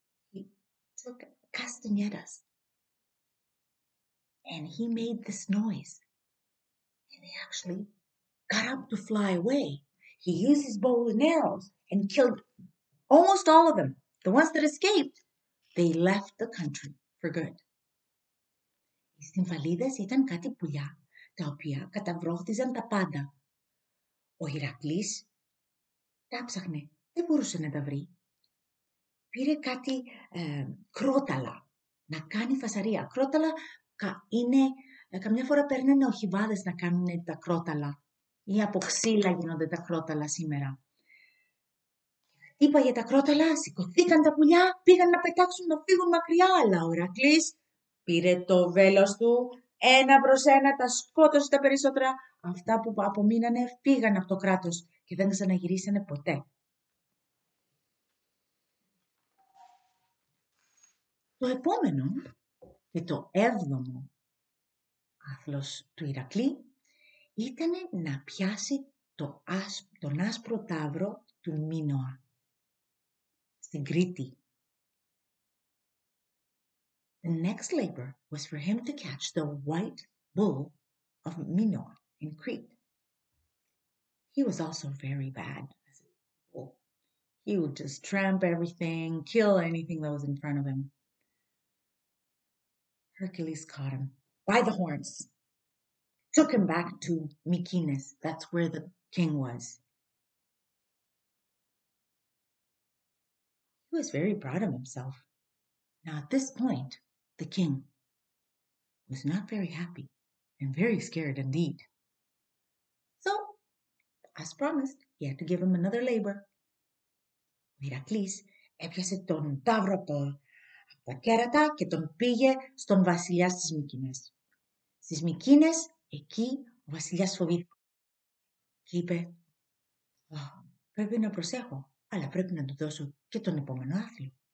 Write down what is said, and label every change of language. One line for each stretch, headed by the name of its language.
English: He took castanetas and he made this noise. And he actually got up to fly away. He used his bow and arrows and killed almost all of them. The ones that escaped, they left the country for good.
Greek: Οι συμφαλίδες ήταν κάτι πουλιά, τα οποία καταβρόχτιζαν τα πάντα. Ο Ηρακλής τα ψάχνε, δεν μπορούσε να τα βρει. Πήρε κάτι κρόταλα να κάνει φασαρία. Κρόταλα είναι, καμιά φορά παίρνανε οχυβάδες να κάνουν τα κρόταλα. Ή από ξύλα γίνονται τα κρόταλα σήμερα. Χτύπαγε τα κρόταλα, σηκωθήκαν τα πουλιά, πήγαν να πετάξουν να φύγουν μακριά. Αλλά ο Ηρακλής πήρε το βέλος του, ένα προς ένα τα σκότωσε τα περισσότερα. Αυτά που απομείνανε φύγαν από το κράτος και δεν ξαναγυρίσανε ποτέ. Το επόμενο και το έβδομο άθλος του Ηρακλή ήταν να πιάσει τον άσπρο τάβρο του Μίνωα στην Κρήτη.
English: The next labor was for him to catch the white bull of Minoa in Crete. He was also very bad as a bull. He would just tramp everything, kill anything that was in front of him. Hercules caught him by the horns, took him back to Mykines. That's where the king was. He was very proud of himself. Now at this point, the king was not very happy and very scared indeed. So, as promised, he had to give him another labor.
Greek: Ηρακλής έπιασε τον τάβρο από τα κέρατα και τον πήγε στον βασιλιά στις Μυκήνες. Στις Μυκήνες, εκεί ο βασιλιάς φοβήθηκε και είπε, πρέπει να προσέχω, αλλά πρέπει να του δώσω και τον επόμενο άθλο.